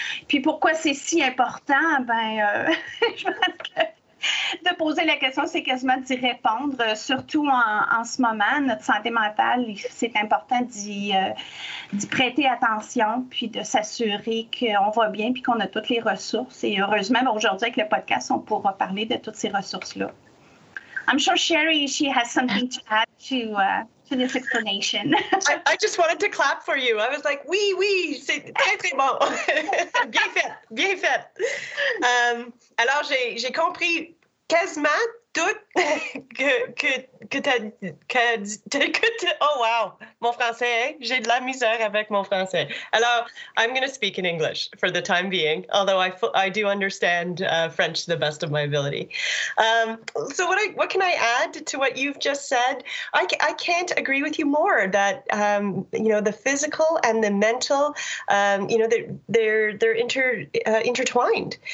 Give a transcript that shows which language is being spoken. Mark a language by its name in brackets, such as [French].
[French] Puis, pourquoi c'est si important? Bien, je pense que de poser la question, c'est quasiment d'y répondre, surtout en ce moment. Notre santé mentale, c'est important d'y prêter attention, puis de s'assurer qu'on va bien, puis qu'on a toutes les ressources. Et heureusement, aujourd'hui, avec le podcast, on pourra parler de toutes ces ressources-là. [English] I'm sure Sherry, she has something to add to this explanation. I just wanted to clap for you. I was like, [French] oui, oui, c'est très, très bon. Bien fait, bien fait. Alors, j'ai compris quasiment tout que t'as dit. Oh, wow, mon français, j'ai de la misère avec mon français. [English] Alors, I'm going to speak in English for the time being, although I do understand French to the best of my ability. So what can I add to what you've just said? I can't agree with you more that, you know, the physical and the mental, you know, they're intertwined.